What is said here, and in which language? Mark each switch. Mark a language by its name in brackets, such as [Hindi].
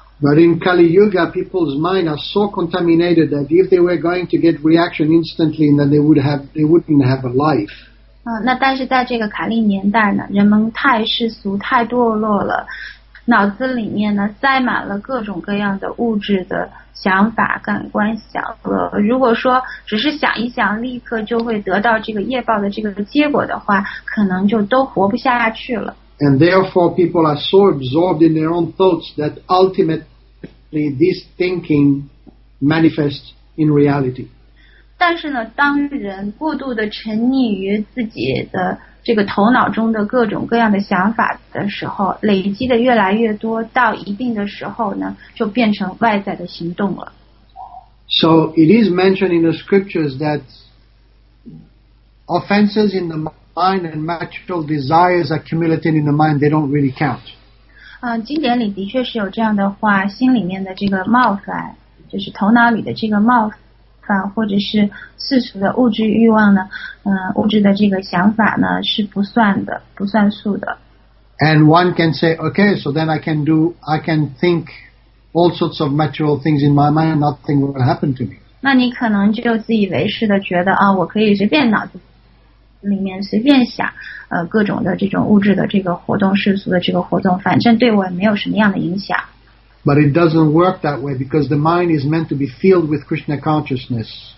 [English] But in Kali Yuga, people's minds are so contaminated that if they were going to get reaction instantly, then they wouldn't have a life. [Chinese] 那但是在这个卡利年代呢，人们太世俗太堕落了，脑子里面呢塞满了各种各样的物质的想法感官享乐，如果说只是想一想立刻就会得到这个业报的这个结果的话，可能就都活不下去了。 [English] And therefore people are so absorbed in their own thoughts that ultimately this thinking manifests in reality. [Chinese] 但是呢，当人过度的沉溺于自己的这个头脑中的各种各样的想法的时候，累积的越来越多，到一定的时候呢，就变成外在的行动了。 [English] So it is mentioned in the scriptures that offenses in the mind and material desires accumulating in the mind, they don't really count. [Chinese] 经典里的确是有这样的话，心里面的这个冒犯，就是头脑里的这个冒犯。或者是世俗的物质欲望呢，物质的这个想法呢是不算的，不算数的。 [English] And one can say, okay, so then I can think all sorts of material things in my mind, nothing will happen to me. [Chinese] 那你可能就自以为是的觉得啊，我可以随便脑子里面随便想，各种的这种物质的这个活动，世俗的这个活动，反正对我也没有什么样的影响。 [English] But it doesn't work that way because the mind is meant to be filled with Krishna consciousness.